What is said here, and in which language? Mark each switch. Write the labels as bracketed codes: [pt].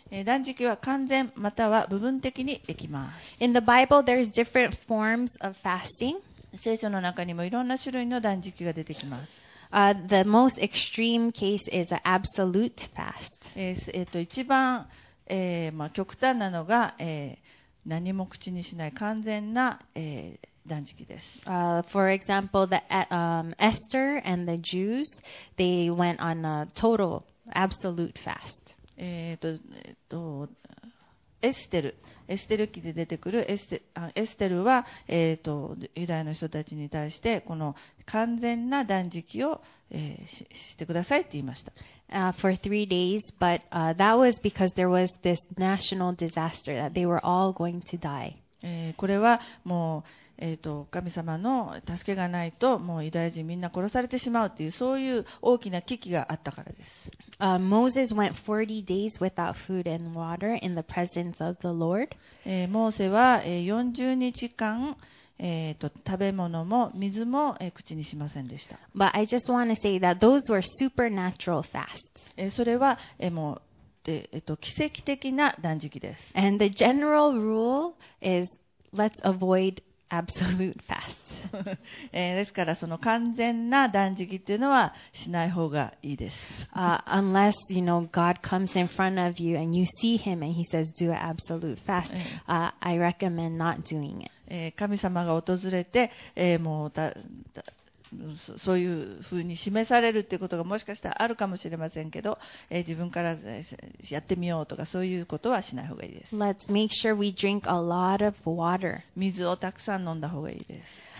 [ja] 断食は完全または部分的にできます。 [en] In the Bible, there's different forms of fasting. [ja] 聖書の中にもいろんな種類の断食が出てきます。 [en] The most extreme case is an absolute fast. [ja] 一番、極端なのが、何も口にしない完全な、断食です。 [en] For example, Esther and the Jews, they went on a total, absolute fast. [ja] エステル記で出てくるエステルは、ユダヤの人たちに対してこの完全な断食を、してくださいって言いました。 [en] For three days, but that was because there was this national disaster that they were all going to die. [ja] これはもう、神様の助けがないともうユダヤ人みんな殺されてしまうというそういう大きな危機があったからです。 [en] Moses went 40 days without food and water in the presence of the Lord. [ja] モーセは40日間食べ物も水も口にしませんでした。 [en] But I just want to say that those were supernatural fasts. [ja] それはもう奇跡的な断食です。 [en] And the general rule is let's avoid absolute fasts. [ja] ですからその完全な断食っていうのはしない方がいいです。 [en] Unless you know God comes in front of you and you see Him and He says do an absolute fast, I recommend not doing it. [ja] 神様が訪れて、もうそういうふうに示されるということがもしかしたらあるかもしれませんけど、自分からやってみようとかそういうことはしない方がいいです。 [en] Let's make sure we drink a lot of water. [ja] 水をたくさん飲んだ方がいいです。